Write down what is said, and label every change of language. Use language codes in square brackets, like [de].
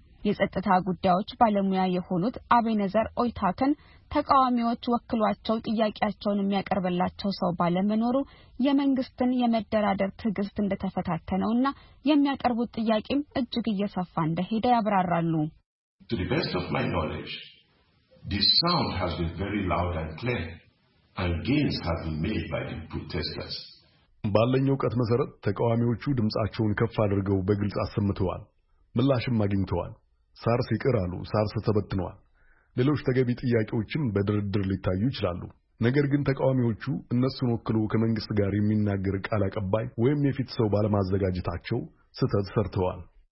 [am] የጸጥታ ጉዳዮች ባለሙያ የሆኑት አቤነዘር ኦይታከን ተቃዋሚዎች ወክሏቸው ጥያቄያቸውን የሚያቀርብላቸው ሰው ባለመኖሩ የመንግስትን የመደራደር ትግስት እንደተፈታተነውና የሚያቀርቡት ጥያቄም እጅግ እየሰፋ እንደሄደ ያብራራሉ። [en] To the best of my knowledge, this sound has been very loud and clear, and gains have been made by the protesters. [am] ባለኝ ዕውቀት መሰረት ተቃዋሚዎቹ ድምጻቸውን ከፍ አድርገው በግልጽ አሰምተዋል። ምላሽም አግኝተዋል። ሳርስ ይቅር አሉ። ሳርስ ተበትኗል። ሌሎች ተገቢ ጥያቄዎችም በድርድር ሊታዩ ይችላሉ። ነገር ግን ተቃዋሚዎቹ እነሱን ወክሎ ከመንግስት ጋር የሚናገር ቃል አቀባይ ወይም የፊት ሰው ባለማዘጋጀታቸው ስህተት ሰርተዋል።